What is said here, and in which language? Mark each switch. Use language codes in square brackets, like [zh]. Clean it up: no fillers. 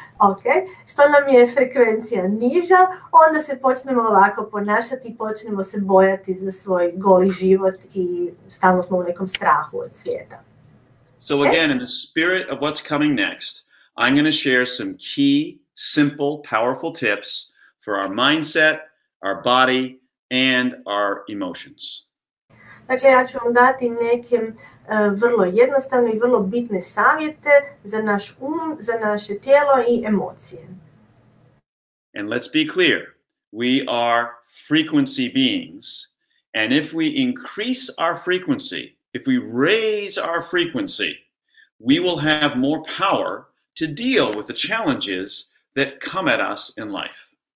[hr] Ok, što nam je frekvencija niža, onda se počnemo ovako ponašati, počnemo se bojati za svoj goli život i stalno smo u nekom strahu od svijeta. [en] So again, in the spirit of what's coming next, I'm going to share some key, simple, powerful tips for our mindset, our body, and our emotions. [hr] Dakle, ja ću vam dati neke vrlo jednostavne i vrlo bitne savjete za naš um, za naše tijelo i emocije. [en] And let's be clear, we are frequency beings, and if we increase our frequency, if we raise our frequency, we will have more power to deal with the challenges that come at us in life.